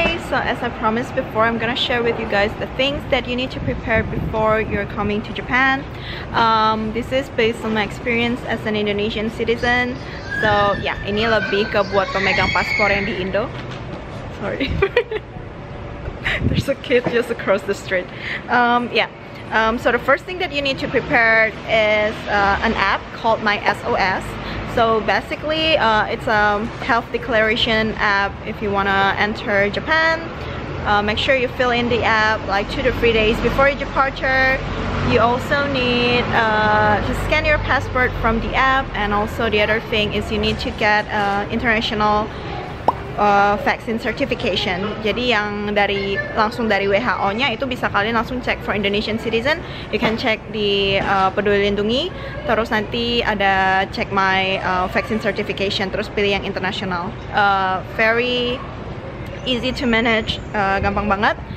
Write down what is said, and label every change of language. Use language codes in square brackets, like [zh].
[en] So as I promised before, I'm gonna share with you guys the things that you need to prepare before you're coming to Japan. This is based on my experience as an Indonesian citizen. So yeah, [id] ini lebih ke buat pemegang paspor yang di Indo. [en] Sorry. There's a kid just across the street. So the first thing that you need to prepare is an app called My SOS. So basically, it's a health declaration app. If you wanna enter Japan, make sure you fill in the app like 2 to 3 days before your departure. You also need to scan your passport from the app, and also the other thing is you need to get international vaccine certification. [id] Jadi yang dari langsung dari WHO-nya itu bisa kalian langsung cek [en] for Indonesian citizen. You can check di Peduli Lindungi. [id] Terus nanti ada [en] check my vaccine certification. [id] Terus pilih yang international. [en] Very easy to manage, [id] gampang banget.